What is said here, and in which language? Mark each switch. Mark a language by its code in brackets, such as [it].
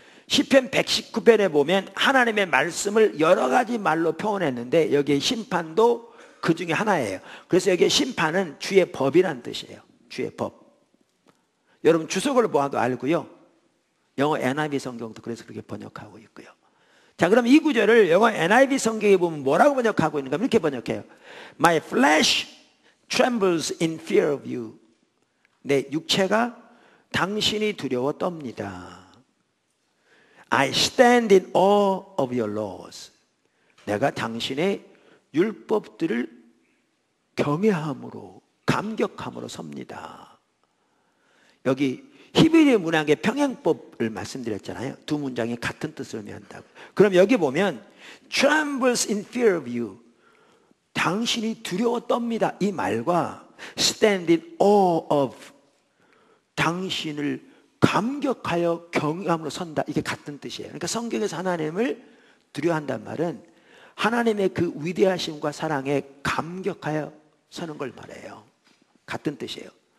[ko] 시편 119편에 보면 하나님의 말씀을 여러 가지 말로 표현했는데 여기에 심판도 그 중에 하나예요. 그래서 여기에 심판은 주의 법이란 뜻이에요. 주의 법. 여러분 주석을 모아도 알고요. 영어 NIV 성경도 그래서 그렇게 번역하고 있고요. 자, 그럼 이 구절을 영어 NIV 성경에 보면 뭐라고 번역하고 있는가? 이렇게 번역해요. [en] My flesh trembles in fear of you. [ko] 내 육체가 당신이 두려워 떱니다. [en] I stand in awe of your laws. [ko] 내가 당신의 율법들을 경외함으로, 감격함으로 섭니다. 여기 히브리 문학의 평행법을 말씀드렸잖아요. 두 문장이 같은 뜻을 의미한다고. 그럼 여기 보면 [en] trembles in fear of you. [ko] 당신이 두려워 떱니다. 이 말과 [en] stand in awe of [ko] 당신을 감격하여 경외함으로 선다. 이게 같은 뜻이에요. 그러니까 성경에서 하나님을 두려워한다는 말은 하나님의 그 위대하심과 사랑에 감격하여 서는 걸 말해요. 같은 뜻이에요.